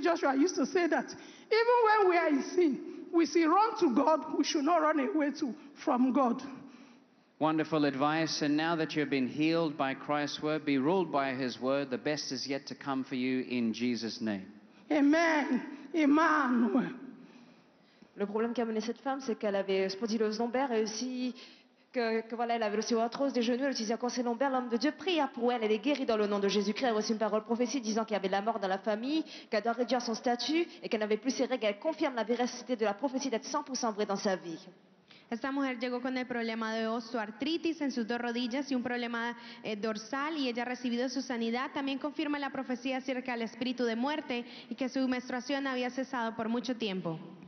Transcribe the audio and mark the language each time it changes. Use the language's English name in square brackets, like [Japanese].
[English] Joshua used to say that even when we are in sin, we see run to God, we should not run away from God. Wonderful advice. And now that you've been healed by Christ's word, be ruled by his word. The best is yet to come for you in Jesus' name. Amen. Emmanuel. [French] Le problème qui a mené cette femme, c'est qu'elle avait spondylose lombaire et aussi que voilà, elle avait l'ostéoarthrose des genoux, elle utilisait un corset lombaire. L'homme de Dieu pria pour elle, elle est guérie dans le nom de Jésus-Christ. Elle a reçu une parole prophétie disant qu'il y avait de la mort dans la famille, qu'elle doit réduire son statut et qu'elle n'avait plus ses règles. Elle confirme la véracité de la prophétie d'être 100% vraie dans sa vie. [Spanish] Esta mujer llegó con el problema de osteoartritis en sus dos rodillas y un problema dorsal y ella ha recibido su sanidad. También confirma la profecía acerca del espíritu de muerte y que su menstruación había cesado por mucho tiempo.